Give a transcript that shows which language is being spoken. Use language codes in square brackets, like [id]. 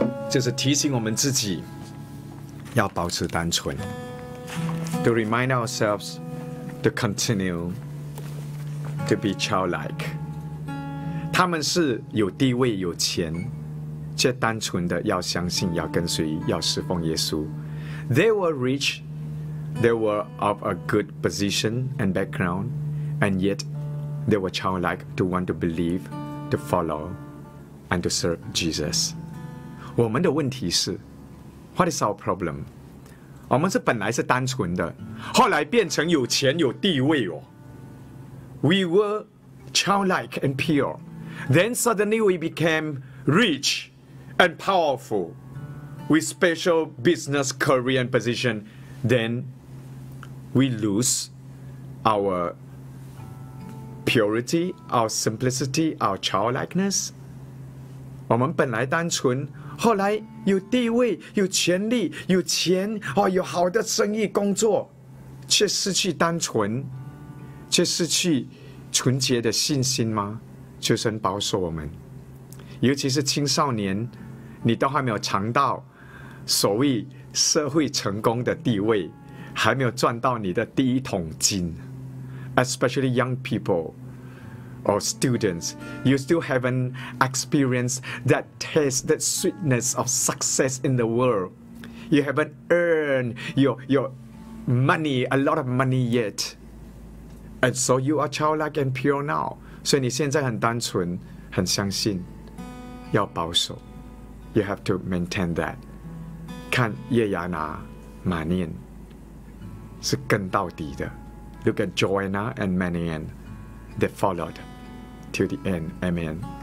[zh] 就是提醒我们自己要保持单纯。 [en] To remind ourselves to continue to be childlike. [zh] 他们是有地位有钱，却单纯的要相信，要跟随，要侍奉耶稣。 [en] They were rich, they were of a good position and background, and yet they were childlike to want to believe, to follow, and to serve Jesus. [zh] 我们的问题是 ， [en] What is our problem? [zh] 我们是本来是单纯的，后来变成有钱有地位哦。 [en] We were childlike and pure. Then suddenly we became rich and powerful with special business career and position. Then we lose our purity, our simplicity, our childlikeness. [zh] 我们本来单纯，后来有地位，有权力，有钱，哦，有好的生意工作，却失去单纯，却失去纯洁的信心吗？求神保守我们，尤其是青少年，你都还没有尝到所谓社会成功的地位，还没有赚到你的第一桶金。 [en] Especially young people or students, you still haven't experienced that taste, that sweetness of success in the world. You haven't earned your money, a lot of money yet. And so you are childlike and pure now. [zh] 所以你现在很单纯，很相信，要保守。 [en] You have to maintain that. [zh] 看叶亚拿、马念是跟到底的。 [en] Look at Joanna and Manian. They followed till the end. Amen.